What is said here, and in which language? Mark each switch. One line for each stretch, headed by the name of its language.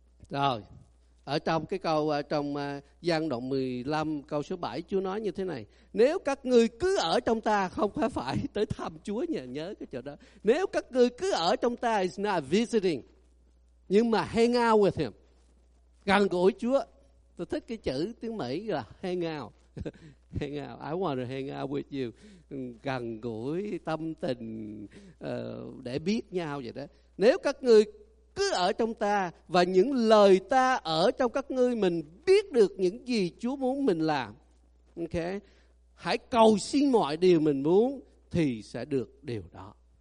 Vietnamese: Rồi, ở trong cái câu, trong Giăng đoạn 15 câu số 7, Chúa nói như thế này: nếu các ngươi cứ ở trong ta, không phải phải tới thăm Chúa nhờ, nhớ cái chỗ đó. Nếu các ngươi cứ ở trong ta,
English: it's not visiting,
Vietnamese: nhưng mà
English: hang out with him,
Vietnamese: gần gũi Chúa. Tôi thích cái chữ tiếng Mỹ là hang out.
English: Hang out, I want to hang out with you.
Vietnamese: Gần gũi tâm tình, để biết nhau vậy đó. Nếu các ngươi cứ ở trong ta và những lời ta ở trong các ngươi, mình biết được những gì Chúa muốn mình làm. Ok, hãy cầu xin mọi điều mình muốn thì sẽ được điều đó.